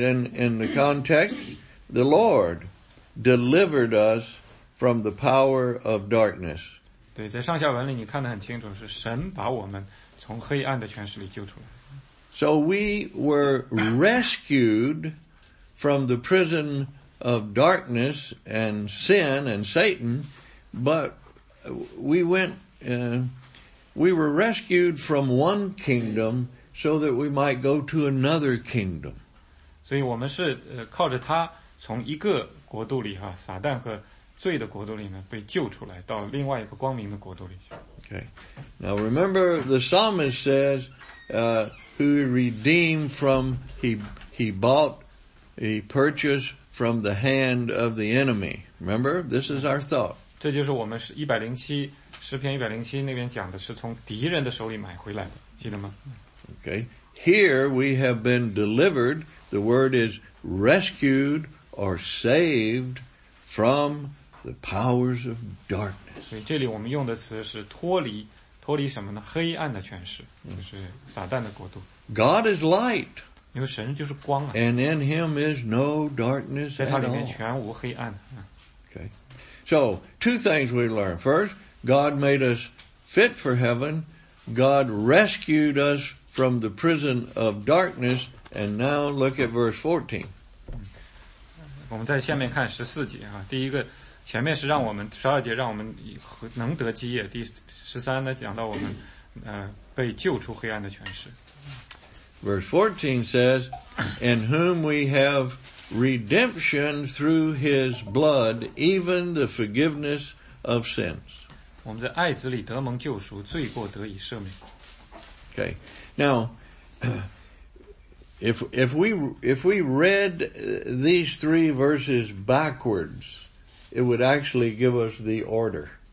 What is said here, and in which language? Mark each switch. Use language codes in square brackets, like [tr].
[en] In the context, the Lord delivered us from the power of darkness. [zh] 对，在上下文里你看得很清楚，是神把我们从黑暗的权势里救出来。 [en] So we were rescued. From the prison of darkness and sin and Satan, but we were rescued from one kingdom so that we might go to another kingdom. [zh] 所以我们是靠着他从一个国度里哈，撒旦和罪的国度里呢被救出来，到另外一个光明的国度里去。 [en] Okay. Now remember, the psalmist says, "Who redeemed from he bought." A purchase from the hand of the enemy. Remember, this is our thought. [zh] 这就是我们诗篇107那边讲的是从敌人的手里买回来的，记得吗？ [en] Okay. Here we have been delivered. The word is rescued or saved from the powers of darkness. [zh] 所以这里我们用的词是脱离脱离什么呢？黑暗的权势，就是撒旦的国度。 [en] God is light. [zh] 因为神就是光啊。 [en] And in him is no darkness at all. [zh] 在他里面全无黑暗。 [en] Okay. So, two things we learn. First, God made us fit for heaven. God rescued us from the prison of darkness. And now look at verse 14. [zh] 我们在下面看14节啊，第一个前面是让我们十二节让我们能得基业，第十三呢讲到我们被救出黑暗的权势。 [en] Verse 14 says, "In whom we have redemption through His blood, even the forgiveness of sins." [zh] 我们在爱子里得蒙救赎，罪过得以赦免。 [en] Okay, now. If we read these three verses backwards, it would actually give us the order.